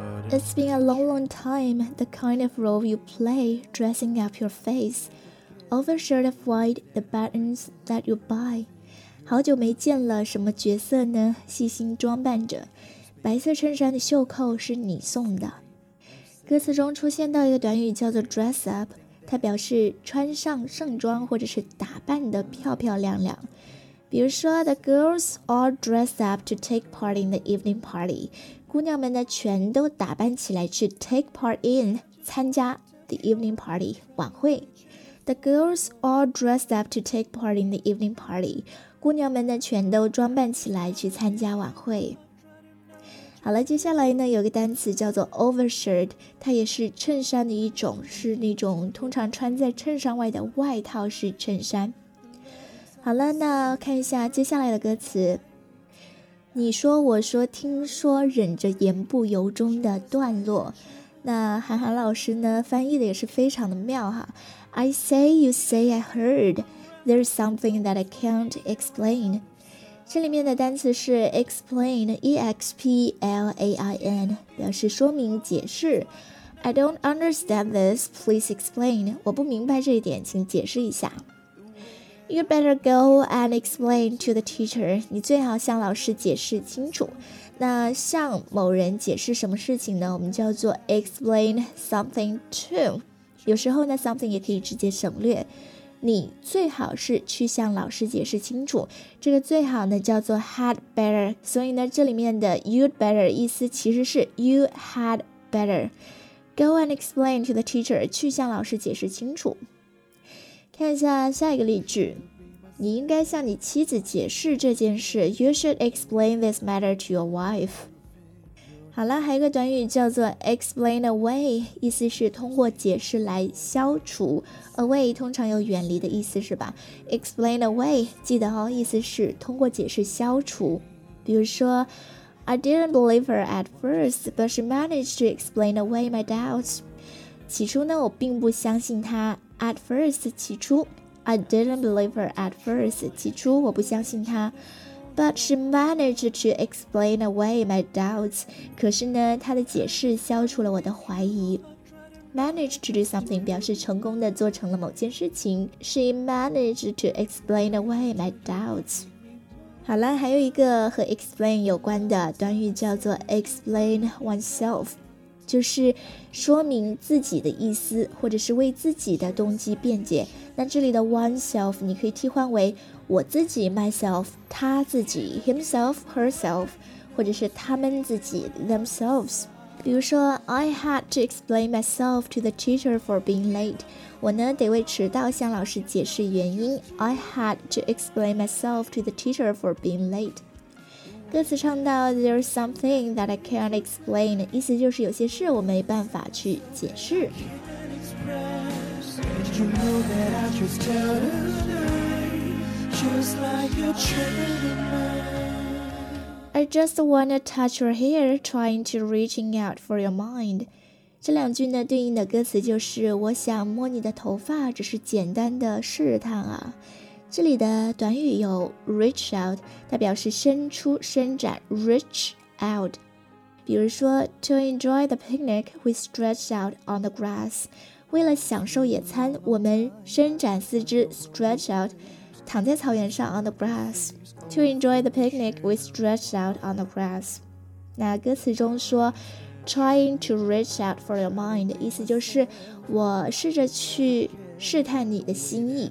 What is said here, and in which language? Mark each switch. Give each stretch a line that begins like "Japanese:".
English: It's been a long, long time, the kind of role you play, dressing up your face over a shade of white, the buttons that you buy.
Chinese: 好久没见了，什么角色呢？细心装扮着，白色衬衫的袖扣是你送的。歌词中出现到一个短语叫做 dress up， 它表示穿上盛装或者是打扮得漂漂亮亮。
English: 比如说 the girls all dress up to take part in the evening party，
Chinese: 姑娘们呢全都打扮起来去
English: take part in
Chinese: 参加
English: the evening party
Chinese: 晚会。
English: The girls all dress up to take part in the evening party，
Chinese: 姑娘们呢全都装扮起来去参加晚会。好了，接下来呢有个单词叫做 overshirt， 它也是衬衫的一种，是那种通常穿在衬衫外的外套式衬衫。好了，那看一下接下来的歌词。你说我说听说忍着言不由衷的段落，那韩寒老师呢翻译的也是非常的妙哈。
English: I say you say I heard there's something that I can't explain，
Chinese: 这里面的单词是
English: explain， E-X-P-L-A-I-N，
Chinese: 表示说明解释。
English: I don't understand this, please explain，
Chinese: 我不明白这一点，请解释一下。
English: You better go and explain to the teacher，
Chinese: 你最好向老师解释清楚。那向某人解释什么事情呢，我们叫做
English: explain something to，
Chinese: 有时候呢 something 也可以直接省略。你最好是去向老师解释清楚，这个最好呢叫做 had better， 所以呢这里面的
English: you'd better
Chinese: 意思其实是
English: you had better， go and explain to the teacher，
Chinese: 去向老师解释清楚。看一下下一个例句，你应该向你妻子解释这件事，
English: you should explain this matter to your wife。
Chinese: 好了，还有个短语叫做 explain away， 意思是通过解释来消除。 Away 通常有远离的意思是吧？Explain away 记得哦，意思是通过解释消除。比如说
English: I didn't believe her at first but she managed to explain away my doubts，
Chinese: 起初呢我并不相信她。
English: At first
Chinese: 起初，
English: I didn't believe her at first
Chinese: 起初我不相信她。
English: But she managed to explain away my doubts，
Chinese: 可是呢她的解释消除了我的怀疑。
English: Manage to do something
Chinese: 表示成功的做成了某件事情。
English: She managed to explain away my doubts。
Chinese: 好了，还有一个和 explain 有关的短语叫做 explain oneself， 就是说明自己的意思或者是为自己的动机辩解。那这里的 oneself 你可以替换为我自己 myself， 他自己 himself herself， 或者是他们自己 themselves。比如说
English: I had to explain myself to the teacher for being late，
Chinese: 我呢得为迟到向老师解释原因。
English: I had to explain myself to the teacher for being late。
Chinese: 歌词唱到
English: There's something that I can't explain，
Chinese: 意思就是有些事我没办法去解释。
English: I just wanna touch your hair, trying to reaching out for your mind。
Chinese: 这两句呢对应的歌词就是我想摸你的头发，只是简单的试探啊。这里的短语有 reach out， 它表示伸出伸展 reach out。比如说
English: to enjoy the picnic we stretch out on the grass，
Chinese: 为了享受野餐我们伸展四肢
English: stretch out，
Chinese: 躺在草原上
English: on the grass。 To enjoy the picnic, we stretched out on the grass。
Chinese: 那歌词中说
English: Trying to reach out for your mind，
Chinese: 意思就是我试着去试探你的心意。